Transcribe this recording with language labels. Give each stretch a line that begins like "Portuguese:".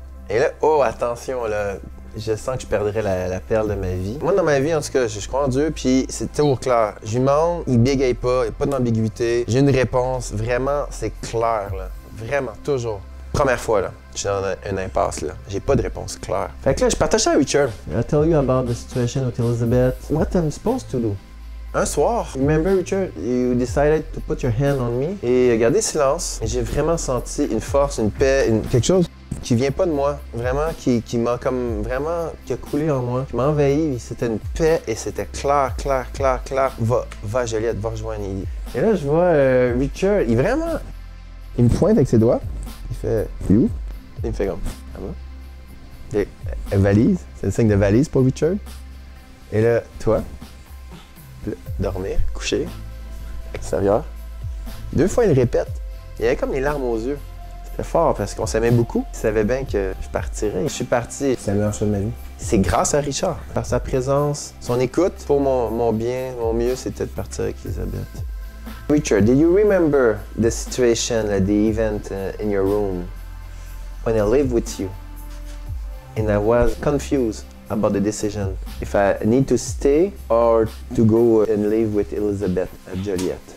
French: Et là, oh, attention, là, je sens que je perdrais la perle de ma vie. Moi, dans ma vie, en tout cas, je crois en Dieu, puis c'est toujours clair. Je lui demande, il bégaye pas, il n'y a pas d'ambiguïté. J'ai une réponse, vraiment, c'est clair, là. Vraiment, toujours. Première fois, là, je suis dans une impasse, là. J'ai pas de réponse claire. Fait que là, je partage ça à Richard.
English: I'll tell you about the situation with Elizabeth. What am I supposed to do?
French: Un soir.
English: Remember, Richard, you decided to put your hand on me.
French: Et gardez silence. J'ai vraiment senti une force, une paix, quelque chose. Qui vient pas de moi, vraiment, qui m'a comme vraiment, qui a coulé en moi, qui m'a envahi, c'était une paix et c'était clair. Va, Joliette, va rejoindre Ellie. Et là, je vois Richard, il me pointe avec ses doigts, il fait, t'es où? Il me fait comme, ah bon? Et, valise, c'est le signe de valise pour Richard. Et là, toi, dormir, coucher, extérieur. Deux fois, il répète, il avait comme les larmes aux yeux. C'est fort parce qu'on s'aimait beaucoup. Il savait bien que je partirais. Je suis parti. C'est la meilleure chose de ma vie. C'est grâce à Richard. Par sa présence, son écoute. Pour mon bien, mon mieux, c'était de partir avec Elisabeth.
English: Richard, do you remember the situation, the event in your room when I live with you? And I was confused about the decision. If I need to stay or to go and live with Elisabeth at Joliette.